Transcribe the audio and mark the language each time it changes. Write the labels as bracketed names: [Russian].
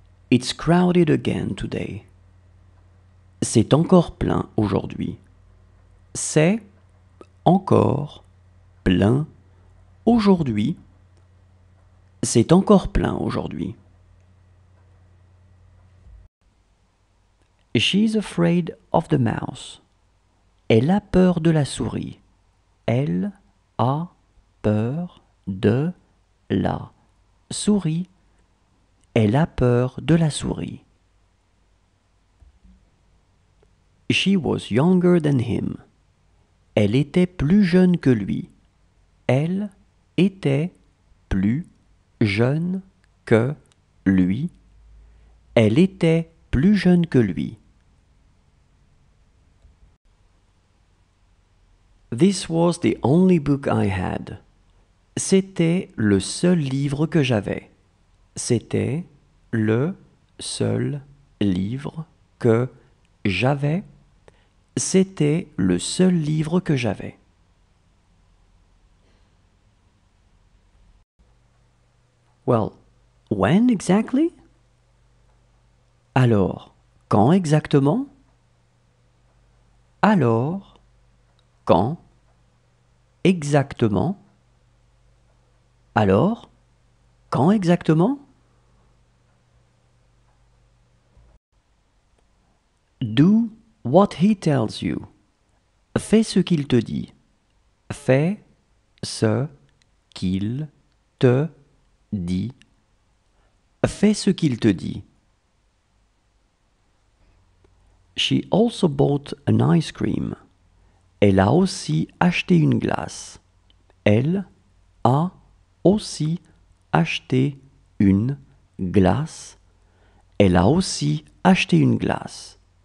[English] It's crowded again today. [French] C'est encore plein aujourd'hui. C'est encore plein aujourd'hui. C'est encore plein aujourd'hui. [English] She's afraid of the mouse. [French] Elle a peur de la souris. Elle a peur de la souris. Elle a peur de la souris. [English] She was younger than him. [French] Elle était plus jeune que lui. Elle était plus jeune que lui. Elle était plus jeune que lui. [English] This was the only book I had. [French] C'était le seul livre que j'avais. C'était le seul livre que j'avais. C'était le seul livre que j'avais. [English] Well, when exactly? [French] Alors, quand exactement? Alors, quand exactement? Alors, quand exactement? [English] Do what he tells you. [French] Fais ce qu'il te dit. Fais ce qu'il te dit. Fais ce qu'il te dit. [English] She also bought an ice cream. [French] Elle a aussi acheté une glace. Elle a aussi acheté une glace. Elle a aussi acheté une glace.